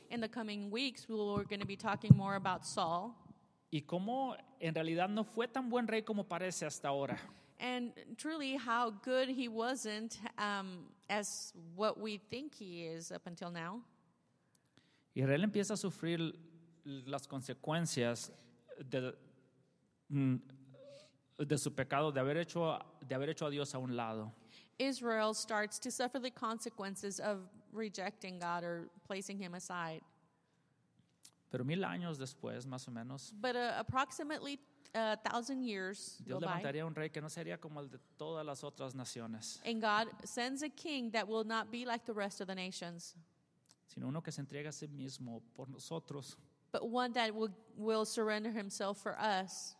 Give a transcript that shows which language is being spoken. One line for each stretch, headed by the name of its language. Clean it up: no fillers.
English: In the coming weeks, we're going to be talking more about Saul.
Spanish: Y cómo en realidad no fue tan buen rey como parece hasta ahora.
English: And truly how good he wasn't as what we think he is up until now.
Spanish: Israel empieza a sufrir las consecuencias de su pecado, de haber hecho a Dios a un lado.
English: Israel starts to suffer the consequences of rejecting God or placing him aside.
Spanish: Pero 1,000 años después, más o menos.
English: But approximately 1,000 years
Spanish: Dios levantaría un rey que no sería como el de todas las otras naciones.
English: And God sends a king that will not be like the rest of the nations.
Spanish: Sino uno que se entrega a sí mismo por nosotros.
English: But one that will surrender himself for us.